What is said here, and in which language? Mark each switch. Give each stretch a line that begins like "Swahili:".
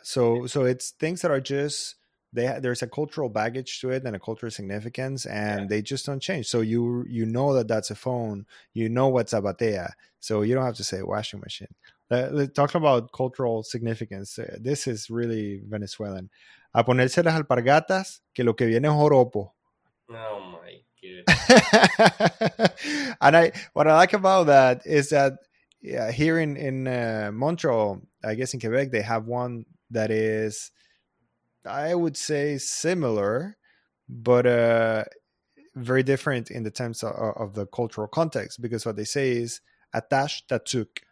English: So it's things that are just... There's a cultural baggage to it and a cultural significance, and they just don't change. So you know that that's a phone. You know what's a batea. So you don't have to say washing machine. Talking about cultural significance, this is really Venezuelan.
Spanish: A ponerse las alpargatas, que lo que viene es joropo.
English: Oh, my goodness. And what I like about that is that here in Montreal, I guess in Quebec, they have one that is... I would say similar, but very different in the terms of the cultural context, because what they say is
French: attache ta toque.